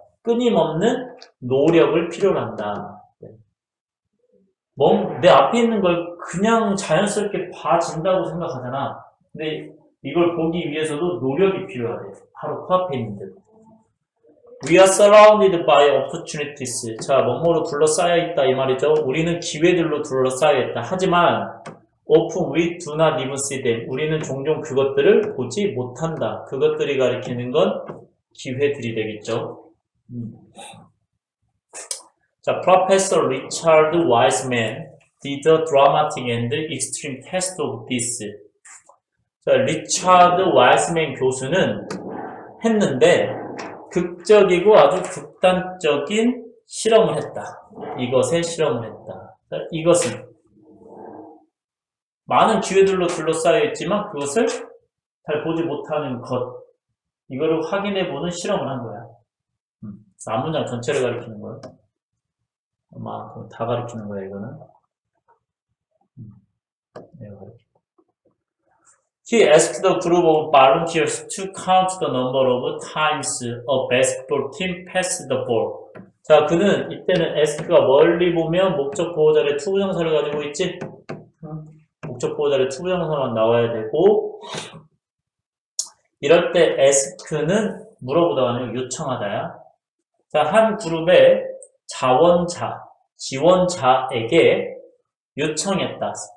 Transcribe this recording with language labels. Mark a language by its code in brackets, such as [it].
[ko] 끊임없는 노력을 필요로 한다. 뭐, 내 앞에 있는 걸 그냥 자연스럽게 봐진다고 생각하잖아. 근데 이걸 보기 위해서도 노력이 필요하대. 바로 코 앞에 있는 데도. [en] We are surrounded by opportunities. [ko] 자, 뭐뭐로 둘러싸여 있다 이 말이죠. 우리는 기회들로 둘러싸여 있다. 하지만 [en] often we do not even see them. [ko] 우리는 종종 그것들을 보지 못한다. 그것들이 가리키는 건 기회들이 되겠죠. [en] 자, Professor Richard Wiseman did a dramatic and extreme test of this. [ko] 자, Richard Wiseman 교수는 했는데 극적이고 아주 극단적인 실험을 했다. 이것의 실험을 했다. 이것은 많은 기회들로 둘러싸여 있지만 그것을 잘 보지 못하는 것 이거를 확인해 보는 실험을 한 거야. 안 문장 전체를 가리키는 거야. 아마 다 가리키는 거야 이거는. [en] He asked a group of volunteers to count the number of times a basketball team passed the ball. [ko] 자, 그는 이때는 ask가 멀리 보면 목적 보호자를 투부정사를 가지고 있지? 목적 보호자를 투부정사만 나와야 되고, 이럴 때 ask는 물어보다가 아니고 요청하다야. 자, 한 그룹의 자원자, 지원자에게 요청했다.